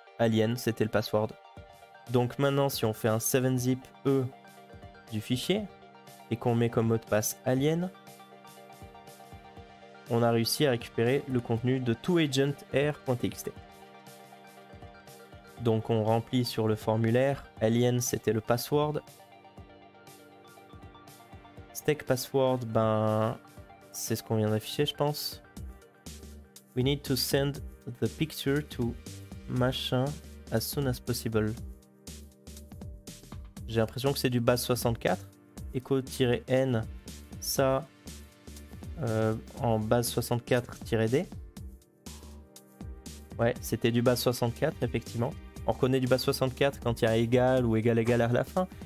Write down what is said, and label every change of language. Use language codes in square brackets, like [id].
[fr] Alien, c'était le password. Donc maintenant, si on fait un 7-zip E du fichier et qu'on met comme mot de passe Alien, on a réussi à récupérer le contenu de toAgentR.txt. Donc on remplit sur le formulaire. Alien, c'était le password. Stack password, ben c'est ce qu'on vient d'afficher, je pense. [en] We need to send the picture to machin as soon as possible. [fr] J'ai l'impression que c'est du base 64. Echo-n, ça, en base 64-d. Ouais, c'était du base 64, effectivement. On reconnaît du base 64 quand il y a égal ou égal-égal à la fin.